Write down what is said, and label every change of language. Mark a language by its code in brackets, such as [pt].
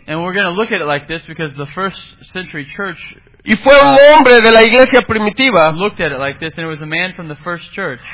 [en] And we're going to look at it like this because the first century church. [es] Y fue un hombre de la iglesia primitiva. [en] Looked at it like this, and it was a man from the first church.